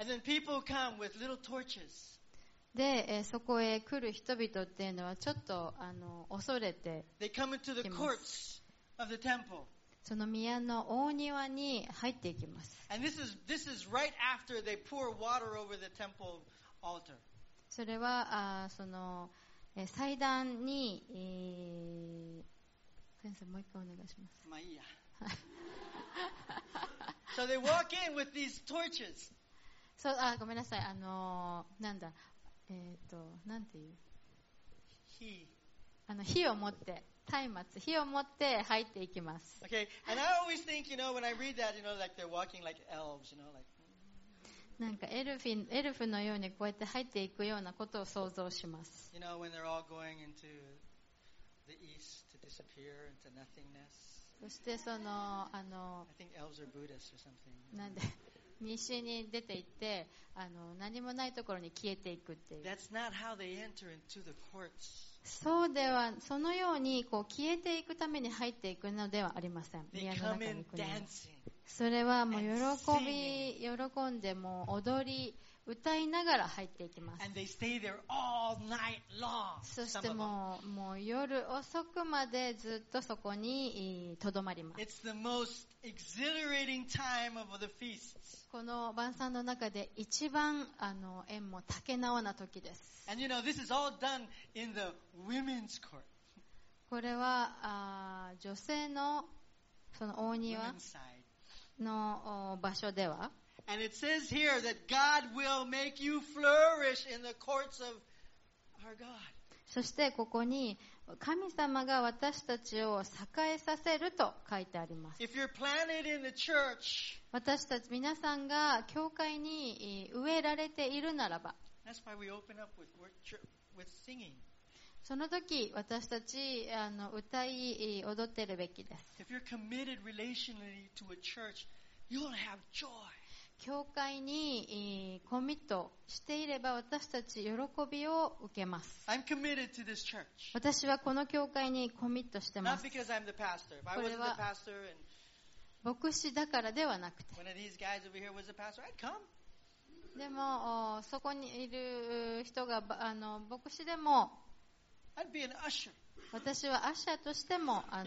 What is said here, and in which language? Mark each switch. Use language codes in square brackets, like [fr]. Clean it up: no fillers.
[en] And then people come with little torches. [ja] で、そこへ来る人々っていうのはちょっとあの恐れて来ます。 [en] They come into the courts of the temple. [ja] その宮の大庭に入っていきます。 [en] And this is right after they pour water over the temple altar. [ja] それはその祭壇に、先生もう一回お願いします。まあいいや。 [en] So they walk in with these torches. [ja] So, あ、ごめんなさい。あの、なんだ、なんていう？火。あの、火を持って、松明、火を持って入っていきます。 [en] Okay. And I always think, you know, when I read that, you know, like they're walking like elves, you know, like. [ja] なんかエルフのようにこうやって入っていくようなことを想像します。 [en] You know, when they're all going into the east to disappear into nothingness. [ja] そしてその、あの、 [en] I think elves are Buddhists or something. [ja] なんで西に出て行ってあの何もないところに消えていくっていう。 [en] That's not how they enter into the courts. [ja] そうではそのようにこう消えていくために入っていくのではありません。 [en] They come in dancing. [ja] それはもう喜んでもう踊り歌いながら入っていきます。 [en] And they stay there all night long, [ja] そしてもう夜遅くまでずっとそこに留まります。 [en] It's the most exhilarating time of the feasts. [ja] この晩餐の中で一番あの縁も竹縄な時です。 [en] And you know, this is all done in the women's court. [ja] これは女性のその大庭の場所では。 [en] And it says here that God will make you flourish in the courts of our God. [ja] そしてここに神様が私たちを栄えさせると書いてあります。 [en] If you're planted in the church, [ja] 私たち皆さんが教会に植えられているならば、 [en] That's why we open up with singing. [ja] その時私たちあの歌い踊ってるべきです。 [en] If you're committed relationally to a church, you'll have joy. [ja] 教会にコミットしていれば私たち喜びを受けます。 [en] I'm committed to this church. [ja] 私はこの教会にコミットしてます。 [en] Not because I'm the pastor. If I wasn't the pastor and [ja] 牧師だからではなくて、 [en] One of these guys over here was a pastor, I'd come. [ja] でもそこにいる人があの牧師でも、 [en] I'd be an usher. [ja] 私はアッシャーとしてもあの